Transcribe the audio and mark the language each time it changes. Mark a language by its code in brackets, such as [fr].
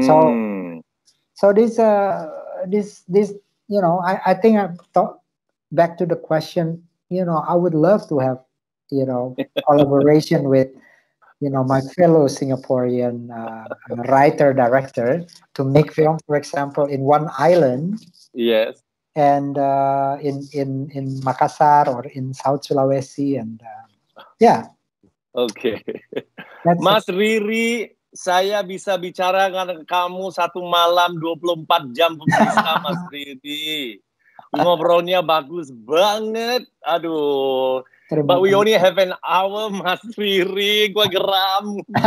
[en] So, so this, this, you know, I think I thought back to the question, you know, I would love to have, you know, collaboration with, you know, my fellow Singaporean writer, director to make film, for example, in one island. Yes. And in Makassar or in South Sulawesi and, Okay. [id] That's Mas Riri, saya bisa bicara dengan kamu satu malam 24 jam bersama Mas Riri. Ngobrolnya bagus banget. Aduh. [en] But we only have an hour, Mas Riri. Gua geram.